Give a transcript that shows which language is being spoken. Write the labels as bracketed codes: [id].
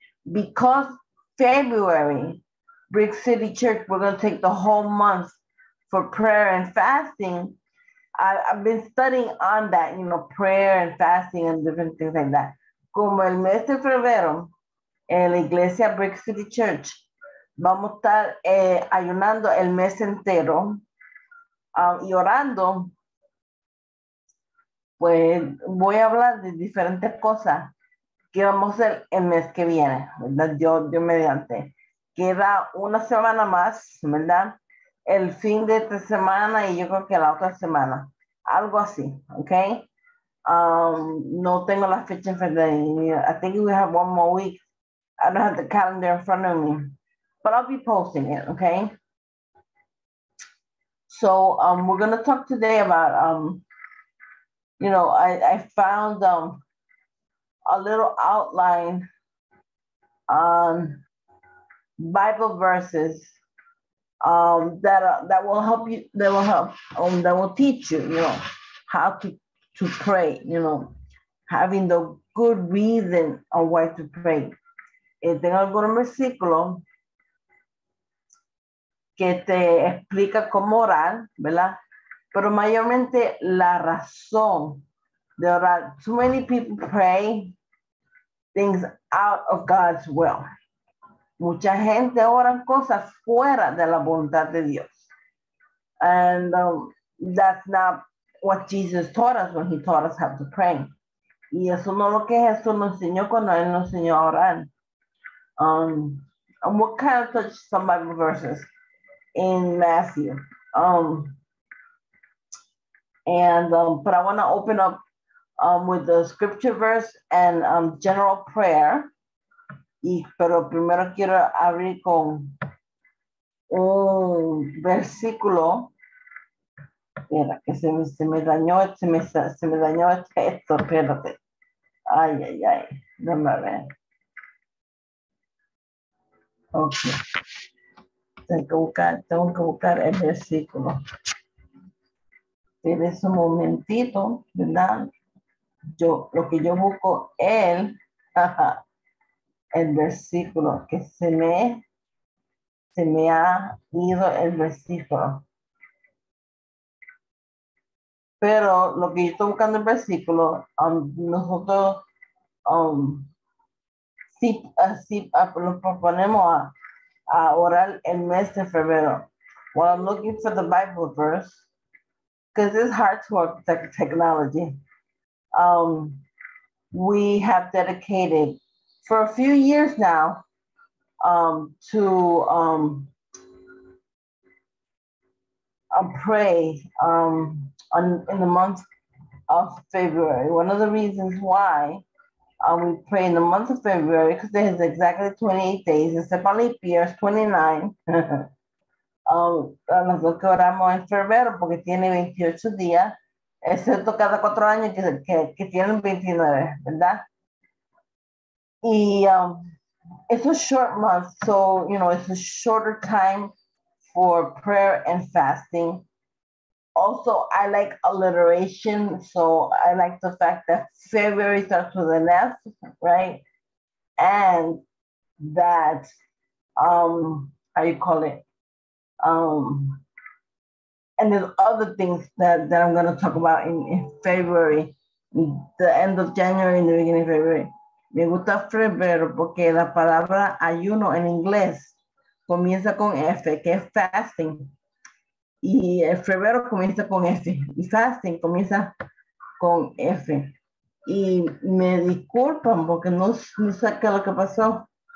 [en] Because February, Brick City Church, we're going to take the whole month for prayer and fasting. I've been studying on that, you know, prayer and fasting and different things like that. [es] Como el mes de febrero, en la iglesia Brick City Church, vamos a estar ayunando el mes entero y orando. Pues voy a hablar de diferentes cosas que vamos a hacer el mes que viene, ¿verdad? Dios mediante. Queda una semana más, ¿verdad? El fin de esta semana y yo creo que la otra semana. Algo así, ¿ok? No tengo la fecha en frente de mí. [en] I think we have one more week. I don't have the calendar in front of me, but I'll be posting it, okay? So we're going to talk today about, you know, I found a little outline on Bible verses that will help you, that will teach you, you know, how to pray, you know, having the good reason on why to pray. [es] Tengo algunos versículos que te explica cómo orar, ¿verdad? Pero mayormente la razón de orar. [en] Too many people pray things out of God's will. [es] Mucha gente ora cosas fuera de la voluntad de Dios. [en] And that's not what Jesus taught us when he taught us how to pray. [es] Y eso no es lo que Jesús nos enseñó cuando él nos enseñó a orar. [en] And we'll kind of touch some Bible verses in Matthew. But I want to open up with the scripture verse and general prayer. [es] Y pero primero quiero abrir con un versículo. Espera, que se me dañó esto. Espérate. Ay, ay, ay. Déjame ver. Okay, tengo que buscar el versículo. En ese momentito, ¿verdad? Yo, lo que yo busco es el versículo, que se me ha ido el versículo. Pero lo que yo estoy buscando el versículo, nos proponemos a orar el mes de febrero. [en] While I'm looking for the Bible verse, because it's hard to work with technology, we have dedicated for a few years now to pray in the month of February. One of the reasons why we pray in the month of February, because there is exactly 28 days. It's about leap year, 29. [es] Nosotros que oramos en febrero porque tiene 28 días, excepto cada 4 años que tienen 29, ¿verdad? [en] Y it's a short month, so, you know, it's a shorter time for prayer and fasting. Also, I like alliteration, so I like the fact that February starts with an F, right? And that, how you call it? And there's other things that I'm going to talk about in February, the end of January and the beginning of February. [es] Me gusta febrero porque la palabra ayuno en inglés comienza con F, que es fasting. Y el febrero comienza con F. Y fasting comienza con F. Y me disculpan porque no sé qué es lo que pasó.